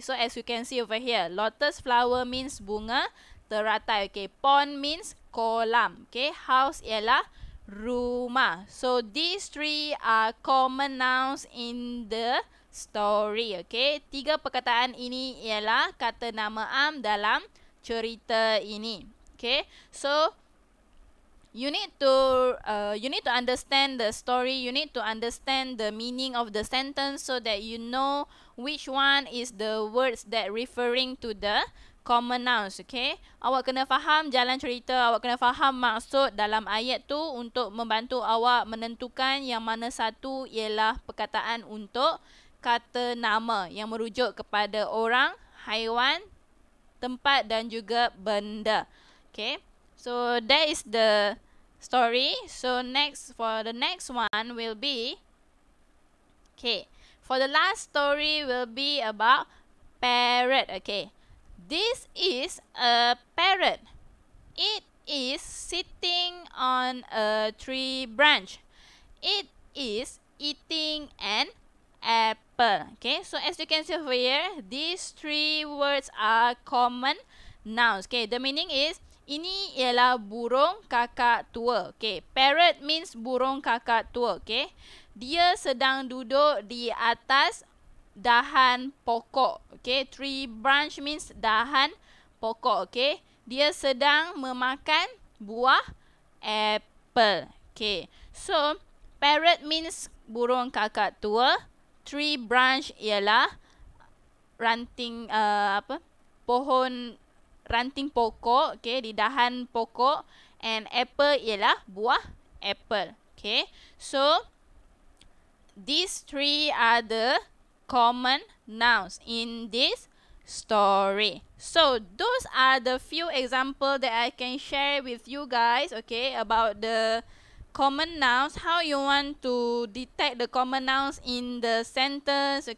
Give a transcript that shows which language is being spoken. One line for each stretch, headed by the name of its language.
English: So as you can see over here, lotus flower means bunga teratai. Okay, pond means kolam. Okay, house ialah rumah. So these three are common nouns in the story.
Malay: Okay, tiga perkataan ini ialah kata nama am dalam cerita ini.
English: Okay, so you need to understand the story. You need to understand the meaning of the sentence so that you know which one is the words that referring to the common nouns.
Malay: Okay, awak kena faham jalan cerita. Awak kena faham maksud dalam ayat tu untuk membantu awak menentukan yang mana satu ialah perkataan untuk kata nama yang merujuk kepada orang, haiwan, tempat dan juga benda.
English: Okay, so that is the story. So next, for the next one will be, okay, for the last story will be about parrot. Okay, this is a parrot. It is sitting on a tree branch. It is eating an apple. Okay, so as you can see over here, these three words are common nouns.
Malay: Okay,
English: the meaning is,
Malay: ini ialah burung kakak tua. Okay,
English: parrot means
Malay: burung kakak tua. Okay, dia sedang duduk di atas dahan pokok.
English: Okay, tree branch means dahan pokok.
Malay: Okay, dia sedang memakan buah apple.
English: Okay, so parrot means burung kakak tua.
Malay: Tree branch ialah ranting pohon. Ranting pokok, okay, di dahan pokok. And apple ialah buah apple.
English: Okay, so these three are the common nouns in this story. So those are the few examples that I can share with you guys. Okay, about the common nouns, how you want to detect the common nouns in the sentence.